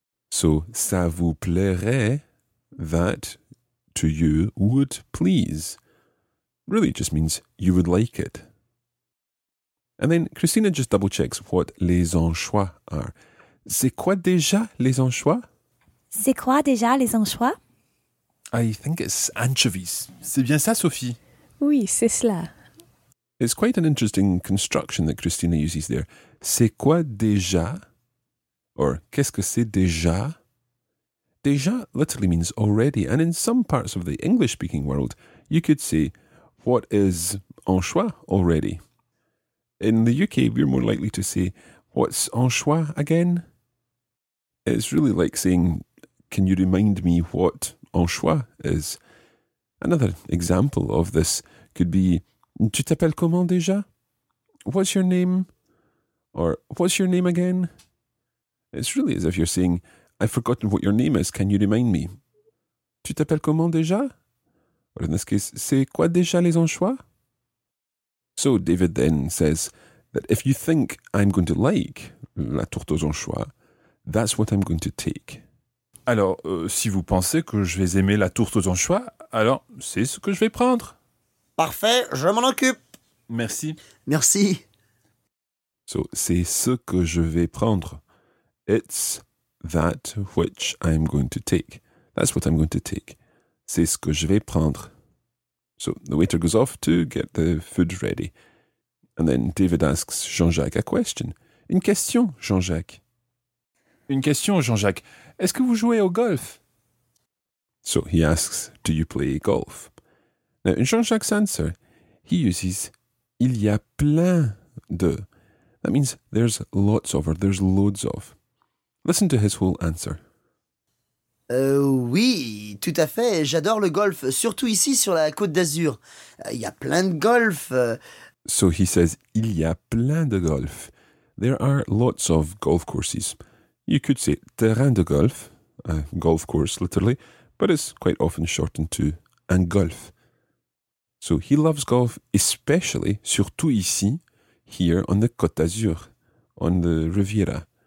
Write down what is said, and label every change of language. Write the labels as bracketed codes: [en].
[en] So, [fr] ça vous plairait, [en] that to you would please. Really, it just means you would like it. And then Christina just double checks what les anchois are. [fr] C'est quoi déjà les anchois? C'est quoi déjà les anchois? [en] I think it's anchovies. [fr] C'est bien ça, [en] Sophie? [fr] Oui, c'est cela. [en] It's quite an interesting construction that Christina uses there. [fr] C'est quoi déjà? Or, qu'est-ce que c'est déjà? [en] Déjà literally means already, and in some parts of the English-speaking world, you could say, what is anchois already? In the UK, we're more likely to say, what's anchois again? It's really like saying, can you remind me what anchois is? Another example of this could be, [fr] tu t'appelles comment déjà? [en] What's your name? Or, what's your name again? It's really as if you're saying, I've forgotten what your name is, can you remind me? [fr] Tu t'appelles comment déjà? [en] Or in this case, [fr] c'est quoi déjà les anchois? [en] So David then says that if you think I'm going to like [fr] la tourte aux anchois, [en] that's what I'm going to take. [fr] Alors, si vous pensez que je vais aimer la tourte aux anchois, alors c'est ce que je vais prendre. Parfait, je m'en occupe. Merci. Merci. So, c'est ce que je vais prendre. [en] It's that which I'm going to take. That's what I'm going to take. [fr] C'est ce que je vais prendre. [en] So, the waiter goes off to get the food ready. And then David asks Jean-Jacques a question. [fr] Une question, [en] Jean-Jacques. [fr] Une question, Jean-Jacques. Est-ce que vous jouez au golf? [en] So he asks, do you play golf? Now, in Jean-Jacques' answer, he uses, [fr] il y a plein de. [en] That means there's lots of, or there's loads of. Listen to his whole answer. [fr] Oui, tout à fait. J'adore le golf, surtout ici sur la Côte d'Azur. Il y a plein de golf. [en] So he says, [fr] il y a plein de golf. [en] There are lots of golf courses. You could say [fr] terrain de golf, [en] a golf course literally, but it's quite often shortened to un golf. So he loves golf, especially, [fr] surtout ici, [en] here on the Côte d'Azur, on the Riviera.